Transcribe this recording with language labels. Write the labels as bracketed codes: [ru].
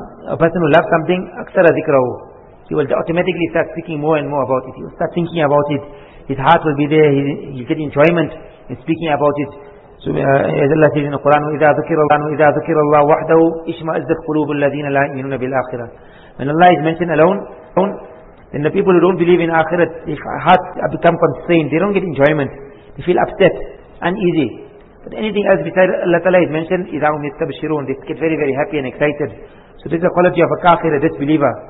[en] A person who loves something, [ar] aksara dhikrahu. [en] He will automatically start speaking more and more about it. He will start thinking about it. His heart will be there. He'll get enjoyment in speaking about it. So as Allah says in the Quran, [ar] وَإِذَا ذُكِرَ اللَّهُ وَحْدَهُ اشْمَأَزَّتْ قُلُوبُ الَّذِينَ لَا يُؤْمِنُونَ بِالْآخِرَةِ. [en] When Allah is mentioned alone, then the people who don't believe in Akhirat, their hearts have become constrained. They don't get enjoyment. They feel upset, uneasy. But anything else besides Allah Ta'ala is mentioned, [ar] إِذَا هُمْ يَسْتَبْشِرُونَ. [en] They get very, very happy and excited. So this is the quality of a kafir, a disbeliever.